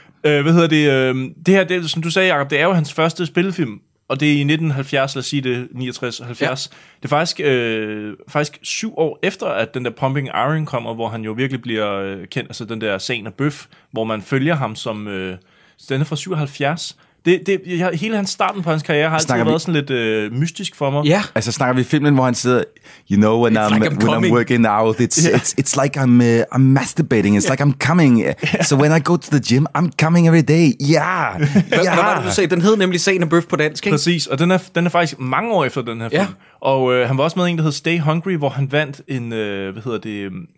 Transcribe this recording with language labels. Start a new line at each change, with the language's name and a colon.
Danish: Hvad hedder det? Det her, det, som du sagde, Jacob, det er jo hans første spillefilm, og det er i 1970, lad os sige det, 69-70. Ja. Det er faktisk 7 år efter, at den der Pumping Iron kommer, hvor han jo virkelig bliver kendt, altså den der scene af Bøf, hvor man følger ham som, den er fra 77. Hele hans starten på hans karriere har altid været sådan lidt mystisk for mig. Ja. Altså snakker vi filmen, hvor han sidder,
English: you know, when, I'm, like I'm, when I'm working out, it's like I'm masturbating, it's like I'm coming. Yeah. So when I go to the gym, I'm coming every day. Yeah.
Danish: Hvad var det, du sagde? Den hed nemlig Scene of Bøf på dansk, ikke? Præcis, og den er faktisk mange år efter den her film. Og han var også med en, der hed Stay Hungry, hvor han vandt en, hvad hedder det...